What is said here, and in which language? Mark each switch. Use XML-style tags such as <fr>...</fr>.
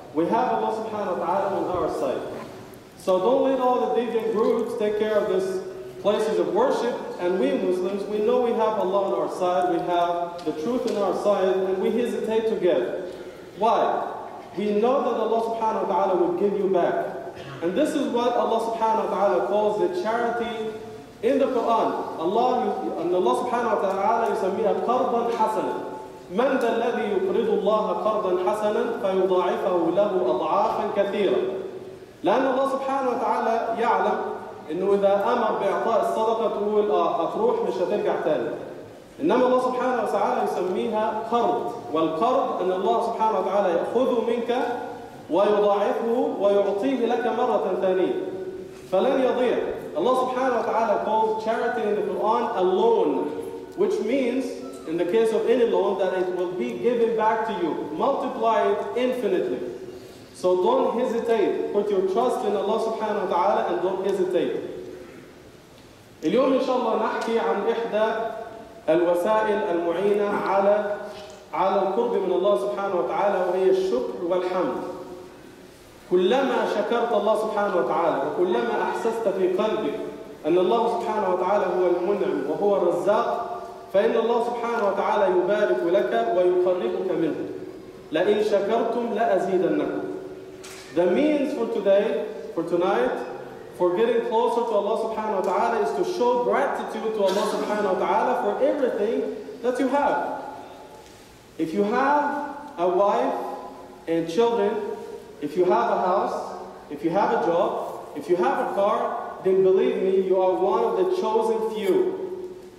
<en>We have Allah subhanahu wa ta'ala on our side. So don't let all the deviant groups take care of this places of worship, and we Muslims, we know we have Allah on our side, we have the truth on our side, and we hesitate to give. Why? We know that Allah subhanahu wa ta'ala will give you back. And this is what Allah subhanahu wa ta'ala calls the charity in the Quran.</en> <ar>Allah subhanahu wa ta'ala يسميها قَرْضًا حَسَنًا مَنْ ذَا الَّذِي يُقْرِضُ اللَّهَ قَرْضًا حَسَنًا فَيُضَاعِفَهُ لَهُ أَضْعَافًا كَثِيرًا. لأن الله سبحانه وتعالى يعلم إنه إذا أمر بإعطاء الصدقة تقول أتروح مش هترجع تاني. إنما الله سبحانه وتعالى يسميها قرض، والقرض أن الله سبحانه وتعالى يأخذه منك ويضاعفه ويعطيه لك مرة ثانية. فلن يضيع.</ar> <en>الله سبحانه وتعالى calls charity in the Quran a loan, which means in the case of any loan that it will be given back to you, multiplied infinitely. So don't hesitate. Put your trust in Allah subhanahu wa ta'ala and don't hesitate.</en> <ar>اليوم إن شاء الله نحكي عن إحدى الوسائل المعينة على القرب من الله سبحانه وتعالى وهي الشكر والحمد. كلما شكرت الله سبحانه وتعالى وكلما أحسست في قلبك أن الله سبحانه وتعالى هو المنعم وهو الرزاق فإن الله سبحانه وتعالى يبارك لك ويقربك منه. لئن شكرتم لأزيدنكم.</ar> <en>The means for today, for tonight, for getting closer to Allah subhanahu wa ta'ala is to show gratitude to Allah subhanahu wa ta'ala for everything that you have. If you have a wife and children, if you have a house, if you have a job, if you have a car, then believe me, you are one of the chosen few.</en>